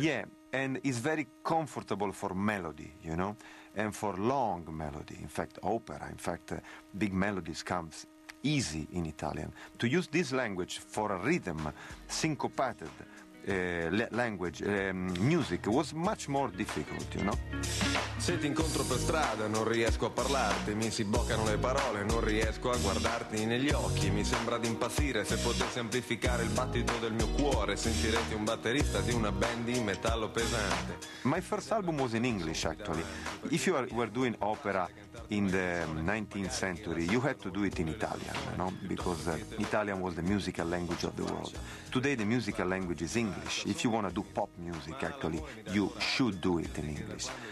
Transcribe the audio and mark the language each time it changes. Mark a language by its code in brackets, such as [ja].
[en] Yeah, and it's very comfortable for melody, you know, and for long melody. In fact, opera, in fact, big melodies comes easy in Italian. To use this language for a rhythm, syncopated language, music, was much more difficult, you know? [it] Se ti incontro per strada non riesco a parlarti, mi si bloccano le parole, non riesco a guardarti negli occhi, mi sembra di impazzire. Se potessi amplificare il battito del mio cuore, sentiresti un batterista di una band di metallo pesante. [en] My first album was in English, actually. If you were doing opera in the 19th century, you had to do it in Italian, you know, because Italian was the musical language of the world. Today the musical language is English. If you want to do pop music, actually, you should do it in English.